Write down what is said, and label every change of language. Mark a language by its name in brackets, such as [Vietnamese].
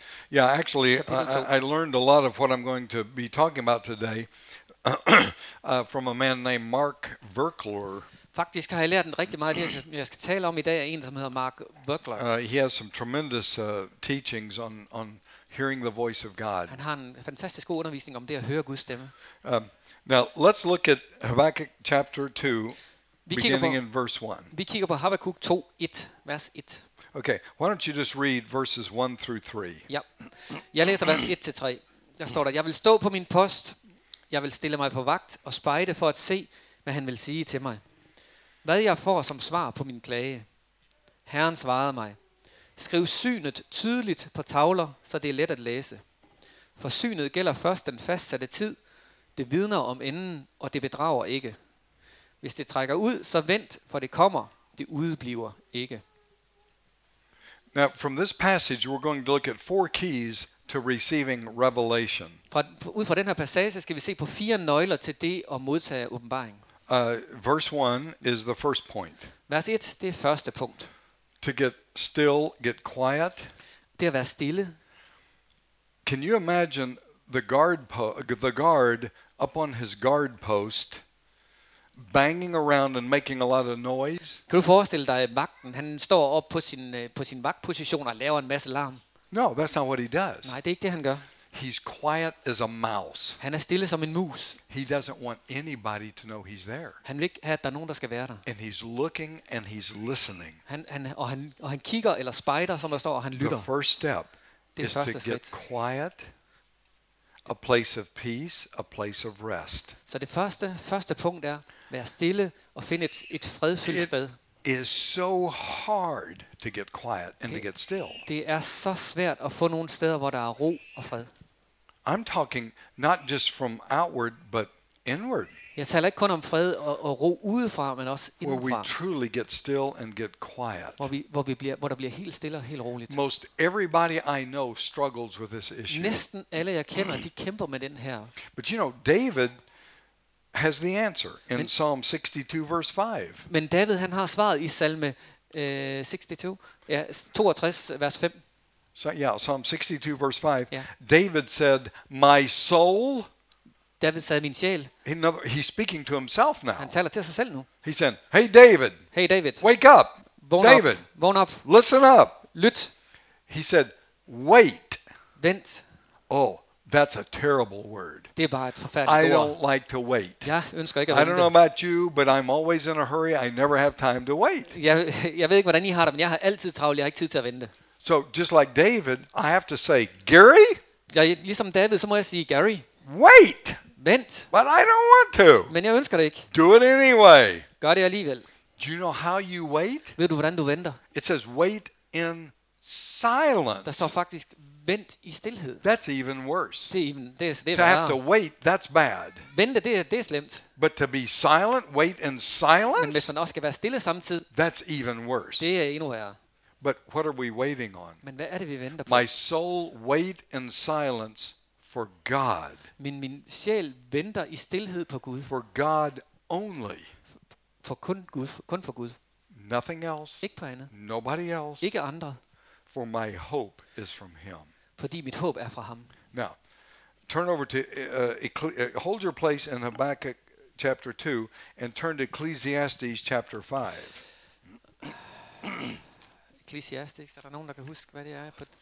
[English] Yeah, actually, I learned a lot of what I'm going to be talking about today from a man named Mark Verkler. [Danish] Faktisk har jeg lært en rigtig meget det, jeg skal tale om i dag, af en, som hedder Mark Verkler. [English] He has some tremendous teachings on hearing the voice of God. [Danish] Han har en fantastisk god undervisning om det at høre Guds stemme. [English] Now, let's look at Habakkuk chapter 2, beginning in verse 1. [Danish] Vi kigger på Habakkuk 2, 1, vers 1. [English] Okay, why don't you just read verses 1 through 3? [Danish] Ja. Jeg læser vers 1-3. Der står der, jeg vil stå på min post, jeg vil stille mig på vagt og spejde for at se, hvad han vil sige til mig. Hvad jeg får som svar på min klage. Herren svarede mig, skriv synet tydeligt på tavler, så det er let at læse. For synet gælder først den fastsatte tid, det vidner om enden, og det bedrager ikke. Hvis det trækker ud, så vent, for det kommer, det udbliver ikke. [English] Now from this passage we're going to look at 4 keys to receiving revelation. [Danish] Ud fra den her passage skal vi se på 4 nøgler til det at modtage åbenbaring. [English] Verse 1 is the first point. [Danish] Vers 1, det er første punkt. [English] To get still, get quiet. [Danish] Det at være stille. [English] Can you imagine the guard up on his guard post? Banging around and making a lot of noise. [Danish] Kan du forestille dig vagten? Han står op på sin vagtposition og laver en masse larm. [English] No, that's not what he does. [Danish] Nej, det er ikke det han gør. [English] He's quiet as a mouse. [Danish] Han er stille som en mus. [English] He doesn't want anybody to know he's there. [Danish] Han vil ikke have, at der er nogen der skal være der. [English] And he's looking and he's listening. [Danish] Han kigger eller spejder, som der står, og han lytter. [English] The first step is to get quiet. A place of peace, a place of rest. [Danish] Så det første punkt er vær stille og find et fredfyldt sted. [English] It is so hard to get quiet and to get still. [Danish] Det er så svært at få nogle steder hvor der er ro og fred. [English] I'm talking not just from outward but inward. [Danish] Jeg taler ikke kun om fred og ro udefra, men også indenfra. [English] Where we truly get still and get quiet. [Danish] Hvor der bliver helt stille og helt roligt. [English] Most everybody I know struggles with this issue. [Danish] Næsten alle jeg kender, de kæmper med den her. [English] But you know, David has the answer in Psalm 62 verse 5. [Danish] Men David han har svaret i Salme 62 vers 5. [English] So yeah, Psalm 62 verse 5. Yeah. David said, "My soul." [Danish] David sagde, min sjæl. [English] He's speaking to himself now. [Danish] Han taler til sig selv nu. [English] He said, "Hey David." [Danish] Hey David. [English] "Wake up." [Danish] Vågn David. Op. Vågn op. [English] "Listen up." [Danish] Lyt. [English] He said, "Wait." [Danish] Vent. [English] Oh. That's a terrible word. [Danish] Det er bare et forfærdeligt ord. [English] I don't like to wait. [Danish] Jeg ønsker ikke at vente. [English] I don't know about you, but I'm always in a hurry. I never have time to wait. [Danish] Jeg ved ikke hvordan I har det, men jeg har altid travlt. Jeg har ikke tid til at vente. [English] So just like David, I have to say, Gary. [Danish] Ja, ligesom David, så må jeg sige, Gary. [English] Wait. [Danish] vent. [English] But I don't want to. [Danish] Men jeg ønsker det ikke. [English] Do it anyway. [Danish] Gør det alligevel. [English] Do you know how you wait? [Danish] Ved du hvordan du venter? [English] It says wait in silence. [Danish] Der står faktisk vent i stilhed. [English] That's even worse. [Danish] Det er [English] to have to wait, that's bad. [Danish] Vente, det er slemt. [English] But to be silent, wait in silence. [Danish] Men hvis man også skal være stille samtidig. [English] That's even worse. [Danish] Det er endnu værre. [English] But what are we waiting on? [Danish] Men hvad er det vi venter på? [English] My soul wait in silence. For God. [Danish] Min sjæl venter i stilhed på Gud. [English] For God only. [Danish] For kun Gud, kun for Gud. [English] Nothing else. [Danish] Ikke på andet. [English] Nobody else. [Danish] Ikke andre. [English] For my hope is from Him. [Danish] Fordi mit håb er fra ham. [English] Now, turn over to hold your place in Habakkuk chapter 2 and turn to Ecclesiastes chapter 5. [Danish] Ecclesiastes, er der nogen der kan huske hvad det er på